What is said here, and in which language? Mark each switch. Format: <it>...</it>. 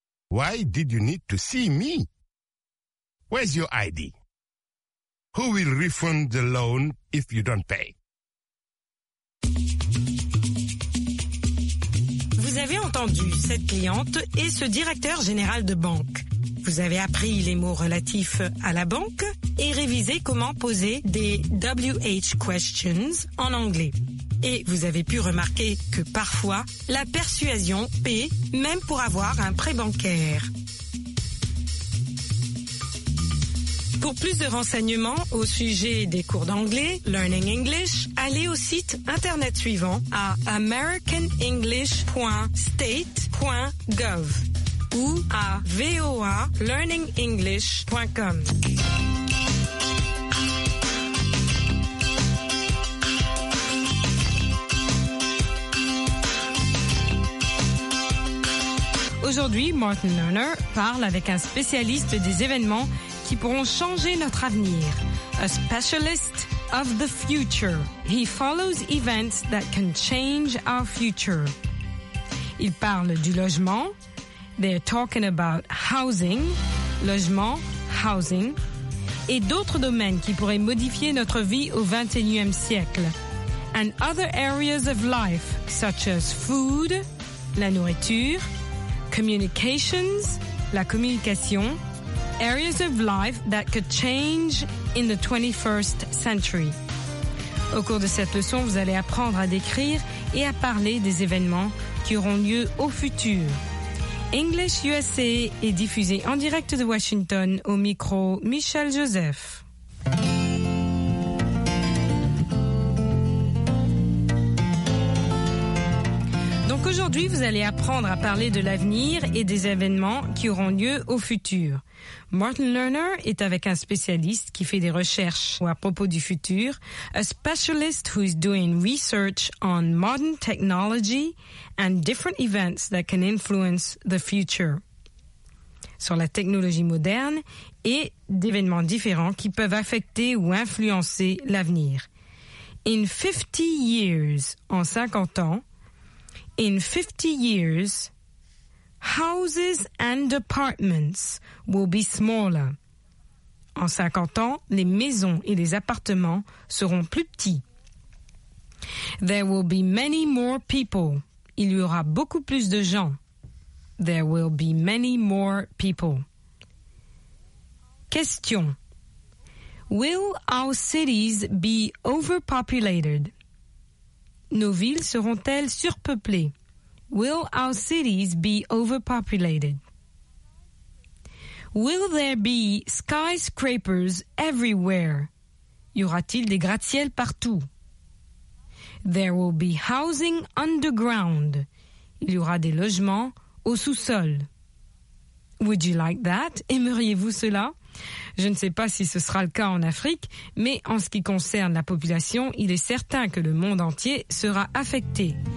<en>Why did you need to see me? Where's your ID? Who will refund the loan if you don't pay?</en> <fr>Vous avez entendu cette cliente et ce directeur général de banque. Vous avez appris les mots relatifs à la banque et révisé comment poser des WH questions en anglais. Et vous avez pu remarquer que parfois, la persuasion paie même pour avoir un prêt bancaire. Pour plus de renseignements au sujet des cours d'anglais, Learning English, allez au site internet suivant à americanenglish.state.gov ou à voalearningenglish.com. Aujourd'hui, Martin Lerner parle avec un spécialiste des événements qui pourront changer notre avenir.</fr> <en>A specialist of the future. He follows events that can change our future.</en> <fr>Il parle du logement.</fr> <en>They're talking about housing.</en> <fr>Logement, housing. Et d'autres domaines qui pourraient modifier notre vie au 21e siècle.</fr> <en>And other areas of life, such as food,</en> <fr>la nourriture,</fr> <en>communications,</en> <fr>la communication,</fr> <en>areas of life that could change in the 21st century.</en> <fr>Au cours de cette leçon, vous allez apprendre à décrire et à parler des événements qui auront lieu au futur. English USA est diffusé en direct de Washington au micro Michel Joseph. Aujourd'hui, vous allez apprendre à parler de l'avenir et des événements qui auront lieu au futur. Martin Lerner est avec un spécialiste qui fait des recherches à propos du futur,</fr> <en>a specialist who is doing research on modern technology and different events that can influence the future.</en> <fr>Sur la technologie moderne et d'événements différents qui peuvent affecter ou influencer l'avenir.</fr> <en>In 50 years,</en> <fr>en 50 ans,</fr> <en>In 50 years, houses and apartments will be smaller.</en> <fr>En 50 ans, les maisons et les appartements seront plus petits.</fr> <en>There will be many more people.</en> <fr>Il y aura beaucoup plus de gens.</fr> <en>There will be many more people. Question. Will our cities be overpopulated?</en> <fr>Nos villes seront-elles surpeuplées?</fr> <en>Will our cities be overpopulated? Will there be skyscrapers everywhere?</en> <fr>Y aura-t-il des gratte-ciels partout?</fr> <en>There will be housing underground.</en> <fr>Il y aura des logements au sous-sol.</fr> <en>Would you like that?</en> <fr>Aimeriez-vous cela? Je ne sais pas si ce sera le cas en Afrique, mais en ce qui concerne la population, il est certain que le monde entier sera affecté.</fr>